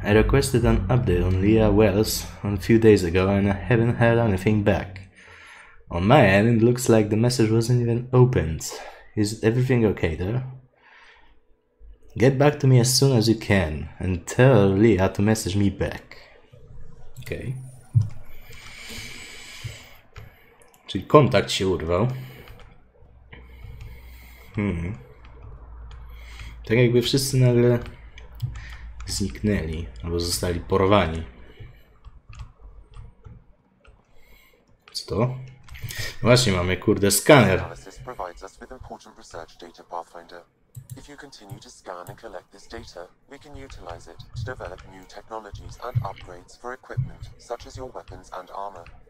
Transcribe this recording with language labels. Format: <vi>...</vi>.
<en>I requested an update on Leah Wells a few days ago and I haven't heard anything back. On my end, it looks like the message wasn't even opened. Is everything okay there? Get back to me as soon as you can and tell Leah to message me back. Okay.</en> <pl>Czyli kontakt się urwał. Tak jakby wszyscy nagle zniknęli albo zostali porwani. Co to? Właśnie mamy, kurde, skaner.</pl> <en>Analysis provides us with important research data pathfinder. If you continue to scan and collect this data, we can utilize it to develop new technologies and upgrades for equipment, such as your weapons and armor.</en>